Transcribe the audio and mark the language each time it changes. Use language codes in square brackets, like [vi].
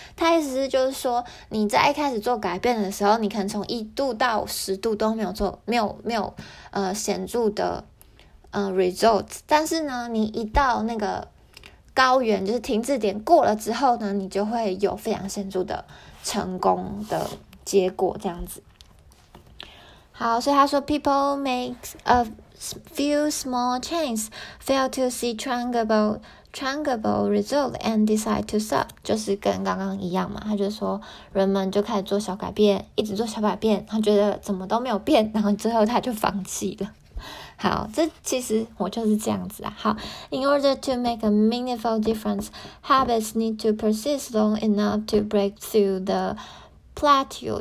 [zh] 它意思就是说，你在一开始做改变的时候，你可能从一度到十度都没有做没有显著的results， 但是呢你一到那个高原，就是停滞点过了之后呢，你就会有非常显著的成功的结果，这样子。好，所以他说 [en] people make a few small changes, fail to see tangible result and decide to stop， [zh] 就是跟刚刚一样嘛。他就说人们就开始做小改变，一直做小改变，他觉得怎么都没有变，然后最后他就放弃了。好，这其实我就是这样子啊。好， [en] In order to make a meaningful difference, habits need to persist long enough to break through the plateau.